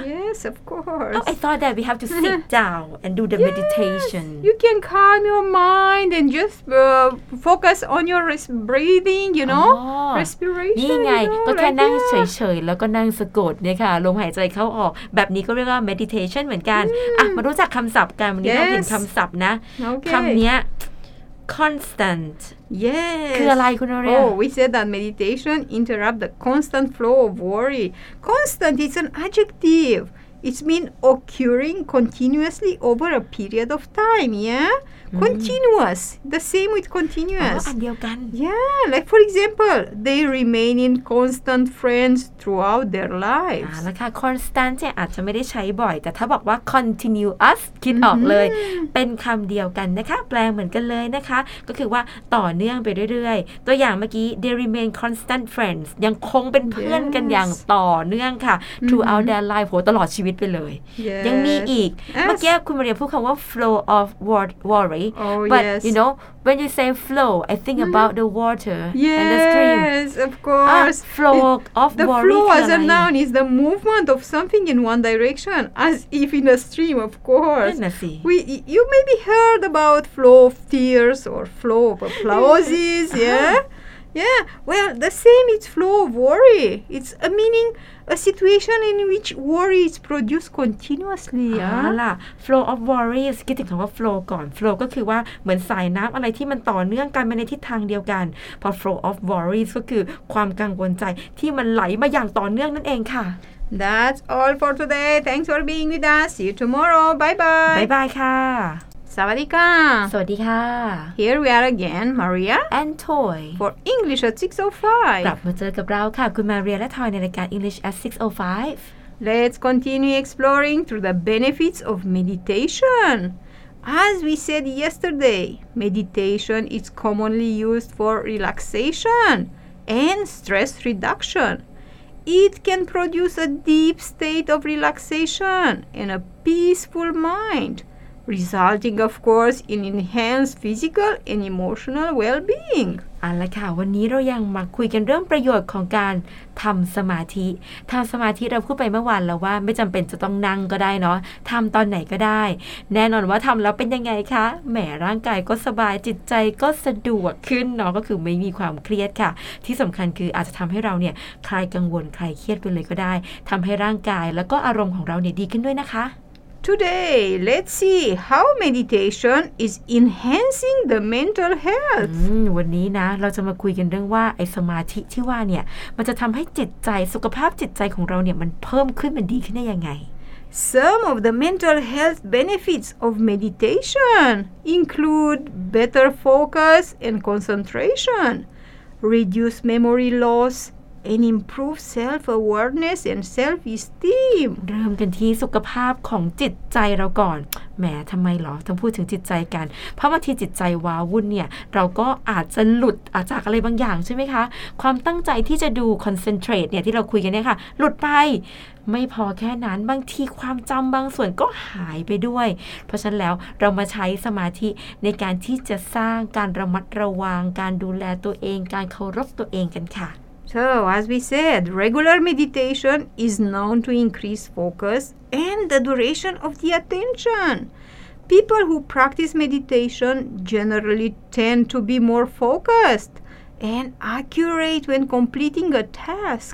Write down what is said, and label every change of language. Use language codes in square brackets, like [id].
[en] Yes of course I thought that we have to sit down and do the meditation You can calm your mind and just focus on your breathing you know respiration [th] นี่ไงก็แค่นั่งเฉยๆแล้วก็นั่งสะกดเนี่ยค่ะลมหายใจเข้าออกแบบนี้ก็เรียกว่า meditation เหมือนกันอ่ะมารู้จักคำศัพท์กันวันนี้เราเห็นคำศัพท์นะคำนี้ constant [en] yes [th] คืออะไรคุณอริยา [en] oh we said that meditation interrupt the constant flow of worry constant is an adjective It means occurring continuously over a period of time. Yeah, continuous. The same with continuous. Yeah, like for example, they remain in constant friends throughout their lives. [th] นะคะ constant อาจจะไม่ได้ใช้บ่อยแต่ถ้าบอกว่า continuous คิดออกเลยเป็นคำเดียวกันนะคะแปลงเหมือนกันเลยนะคะก็คือว่าต่อเนื่องไปเรื่อยๆตัวอย่างเมื่อกี้ [en] they remain constant friends [th] ยังคงเป็นเพื่อนกันอย่างต่อเนื่องค่ะ [en] throughout their life [th] โหตลอดชีวิตไปเลย [en] yes. [th] ยังมีอีกเมื่อกี้คุณมาเรียพูดคำว่า [en] flow of worry but yes. you know when you say flow I think about the water yes, and the stream yes of course flow of the worry flow as a noun is the movement of something in one direction as if in a stream of course you maybe heard about flow of tears or flow of applauses yeah yeah well the same it's flow of worry it's a meaning a situation in which worry is produced continuously อ่ [th] าล่ะ [en] flow of worries [th] คิดถึงคำว่า flow ก่อน flow ก็คือว่าเหมือนสายน้ำอะไรที่มันต่อเนื่องกันไปในทิศทางเดียวกันพอ flow of worries ก็คือความกังวลใจที่มันไหลมาอย่างต่อเนื่องนั่นเองค่ะ [en] That's all for today thanks for being with us see you tomorrow bye bye bye bye ค่ะ [th] สวัสดีค่ะ สวัสดีค่ะ [en] Here we are again, Maria and Toy for English at 6:05 [th] กลับมาเจอกับเราค่ะคุณ Maria และ Toy ในรายการ English at 6:05 [en] Let's continue exploring through the benefits of meditation. As we said yesterday, meditation is commonly used for relaxation and stress reduction. It can produce a deep state of relaxation and a peaceful mind. Resulting, of course, in enhanced physical and emotional well-being. [th] เอาละค่ะวันนี้เรายังมาคุยกันเรื่องประโยชน์ของการทำสมาธิทำสมาธิเราพูดไปเมื่อวานแล้วว่าไม่จำเป็นจะต้องนั่งก็ได้เนาะทำตอนไหนก็ได้แน่นอนว่าทำแล้วเป็นยังไงคะแหมร่างกายก็สบายจิตใจก็สะดวกขึ้นเนาะก็คือไม่มีความเครียดค่ะที่สำคัญคืออาจจะทำให้เราเนี่ยคลายกังวลคลายเครียดไปเลยก็ได้ทำให้ร่างกายแล้วก็อารมณ์ของเราเนี่ยดีขึ้นด้วยนะคะ [en] Today, let's see how meditation is enhancing the mental health. [th] วันนี้นะเราจะมาคุยกันเรื่องว่าไอ้สมาธิที่ว่าเนี่ยมันจะทำให้จิตใจสุขภาพจิตใจของเราเนี่ยมันเพิ่มขึ้นมันดีขึ้นได้ยังไง [en] Some of the mental health benefits of meditation include better focus and concentration, reduced memory loss,and improve self-awareness and self-esteem. [th] เริ่มกันที่สุขภาพของจิตใจเราก่อนแหมทำไมหรอต้องพูดถึงจิตใจกันเพราะบางทีจิตใจว้าวุ่นเนี่ยเราก็อาจจะหลุดอาจจะอะไรบางอย่างใช่ไหมคะความตั้งใจที่จะดู concentrate เนี่ยที่เราคุยกันเนี่ยค่ะหลุดไปไม่พอแค่นั้นบางทีความจำบางส่วนก็หายไปด้วยเพราะฉะนั้นแล้วเรามาใช้สมาธิในการที่จะสร้างการระมัดระวังการดูแลตัวเองการเคารพตัวเองกันค่ะ [en] So, as we said, regular meditation is known to increase focus and the duration of the attention. People who practice meditation generally tend to be more focused and accurate when completing a task.